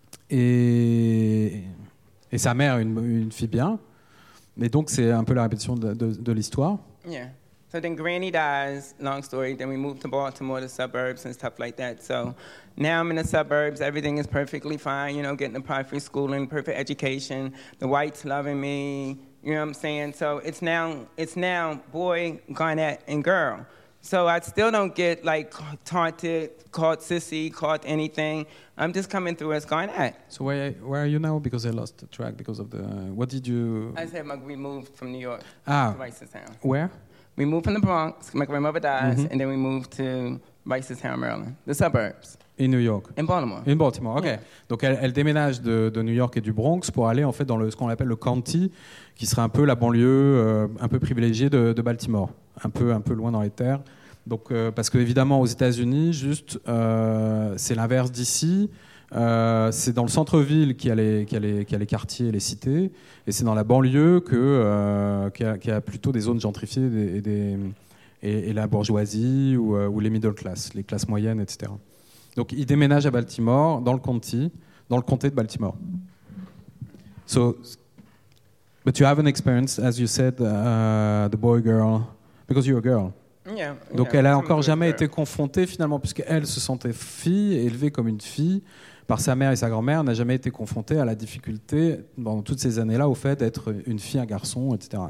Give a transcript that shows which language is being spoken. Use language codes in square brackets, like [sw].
[fr] Et sa mère, une fille bien. Et donc, c'est un peu la répétition de l'histoire. [en] Yeah. So then granny dies, long story. Then we move to Baltimore, the suburbs and stuff like that. So now I'm in the suburbs. Everything is perfectly fine, you know, getting a private school and perfect education. The whites loving me, you know what I'm saying? So it's now boy, Garnett, and girl. So I still don't get, like, taunted, called sissy, called anything. I'm just coming through as Garnett. So where are you now? Because I lost the track because of the... What did you... I said we moved from New York to Reisterstown. Where? We moved from the Bronx, my grandmother dies, and then we moved to Reisterstown, Maryland, the suburbs. In New York. In Baltimore. In Baltimore, OK. Yeah. [fr] Donc elle déménage de New York et du Bronx pour aller, en fait, dans ce qu'on appelle le county, qui serait un peu la banlieue un peu privilégiée de Baltimore, un peu loin dans les terres. Donc, parce qu'évidemment, aux États-Unis, juste, c'est l'inverse d'ici. C'est dans le centre-ville qu'il y a les quartiers et les cités. Et c'est dans la banlieue qu'il y a plutôt des zones gentrifiées et la bourgeoisie ou les middle class, les classes moyennes, etc. Donc, il déménage à Baltimore, dans le comté de Baltimore. [en] So, but you have an experience, as you said, the boy-girl, because you're a girl. Yeah, [fr] donc, elle a encore jamais été confrontée, finalement, puisqu'elle se sentait fille, élevée comme une fille, par sa mère et sa grand-mère, n'a jamais été confrontée à la difficulté, pendant toutes ces années-là, au fait d'être une fille, un garçon, etc.